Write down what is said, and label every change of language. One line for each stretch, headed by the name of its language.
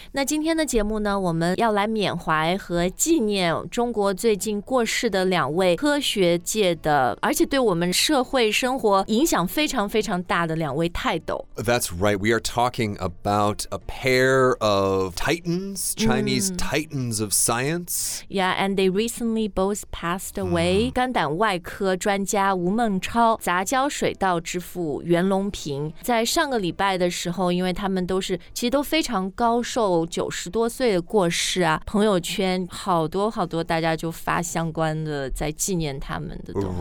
Chinese: 那今天的节目呢，我们要来缅怀和纪念中国最近过世的两位科学界的，而且对我们社会生活影响非常非常大的两位泰斗。
English: That's right, we are talking about a pair of titans, Chinese titans of science. Yeah, and they recently both passed away.
Chinese: 肝胆外科专家吴孟超杂交水稻之父袁隆平在上个礼拜的时候，因为他们都是其实都非常高寿，90多岁的过世啊，朋友圈好多好多大家就发相关的在纪念他们的东西。